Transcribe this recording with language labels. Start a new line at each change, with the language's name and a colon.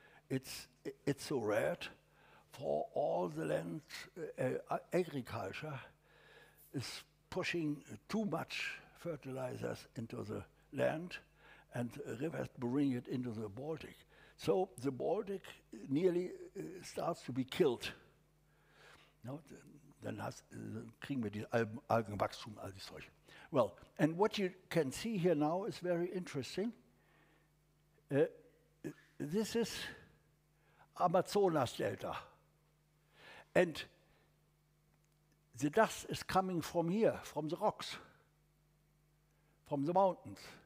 English: It's so red for all the land, agriculture is pushing too much fertilizers into the land, and rivers bring it into the Baltic. So the Baltic nearly starts to be killed.
German: Now, dann kriegen wir die Algenwachstum, all das Zeug.
English: Well, and what you can see here now is very interesting. This is Amazonas Delta. And the dust is coming from here, from the rocks, from the mountains.